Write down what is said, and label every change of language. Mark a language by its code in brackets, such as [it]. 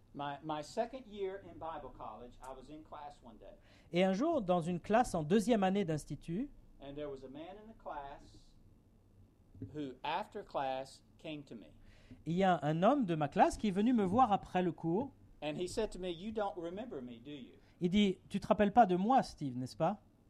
[en] My second year in Bible college, I was in class one day. [fr] Et un jour, dans une classe en deuxième année d'institut, [en] and there was a man in the class who, after class, came to me. [fr] Il y a un homme de ma classe qui est venu me voir après le cours. [en] And he said to me, "You don't remember me, do you?" [fr] Il dit, tu te rappelles pas de moi, Steve, n'est-ce pas?